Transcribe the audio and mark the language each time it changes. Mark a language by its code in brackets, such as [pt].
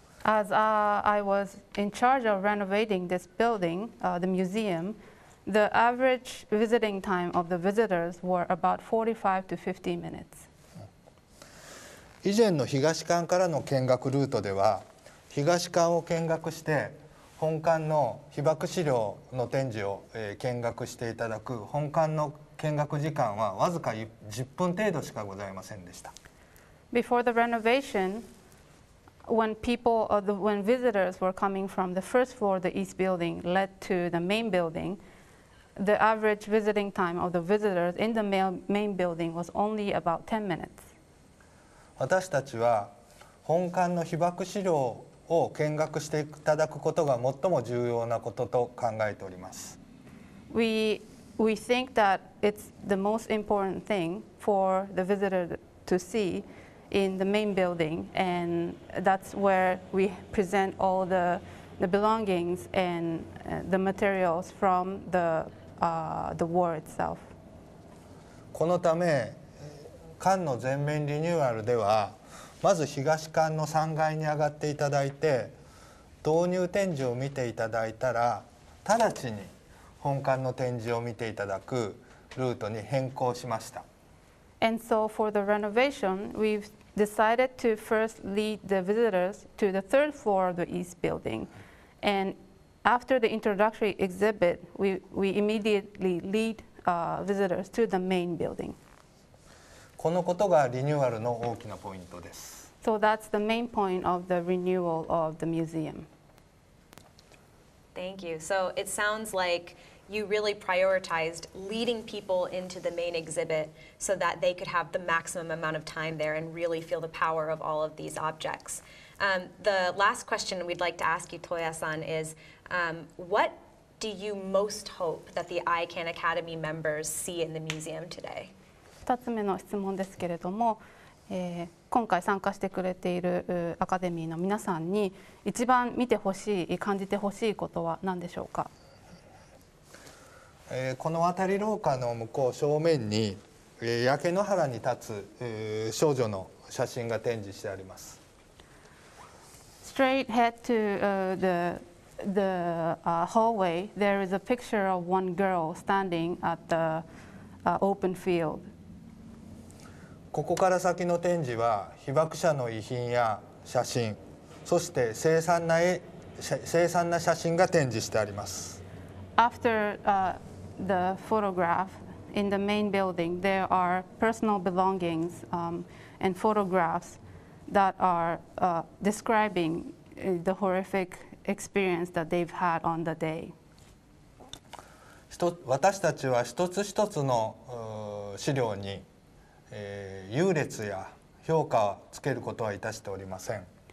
[en] As I was in charge of renovating this building, the museum, the average visiting time of the visitors were about 45 to 50 minutes. [ja] 以前の東館からの見学ルートでは、東館を見学して本館の被爆資料の展示を見学していただく本館の見学時間はわずか10分程度しかございませんでした。 [en] Before the renovation, when visitors were coming from the first floor of the East Building led to the main building, the average visiting time of the visitors in the main building was only about 10 minutes. [ja] 私たちは本館の被爆資料を見学していただくことが最も重要なことと考えております。 [en] We think that it's the most important thing for the visitor to see in the main building, and that's where we present all the belongings and the materials from the war itself. [ja] このため、館の全面リニューアルでは、まず東館の3階に上がっていただいて、導入展示を見ていただいたら、直ちに本館の展示を見ていただくルートに変更しました。 [en] And so for the renovation, we've decided to first lead the visitors to the third floor of the East Building. And after the introductory exhibit, we immediately lead visitors to the main building. [ja] このことがリニューアルの大きなポイントです。 [en] So that's the main point of the renewal of the museum. Thank you. So it sounds like you really prioritized leading people into the main exhibit so that they could have the maximum amount of time there and really feel the power of all of these objects. The last question we'd like to ask you, Toya-san, is what do you most hope that the ICAN Academy members see in the museum today? [ja] 2つ目の質問ですけれども、今回参加してくれているアカデミーの皆さんに一番見てほしい、感じてほしいことは何でしょうか？この渡り廊下の向こう正面に焼け野原に立つ少女の写真が展示してあります。 [en] Straight head to the hallway, there is a picture of one girl standing at the open field. [ja] ここから先の展示は被爆者の遺品や写真、そして凄惨な写真が展示してあります。 [en] AfterThe photograph in the main building, there are personal belongings and photographs that are describing the horrific experience that they've had on the day. [ja] 私たちは一つ一つの資料に優劣や評価をつけることはいたしておりません。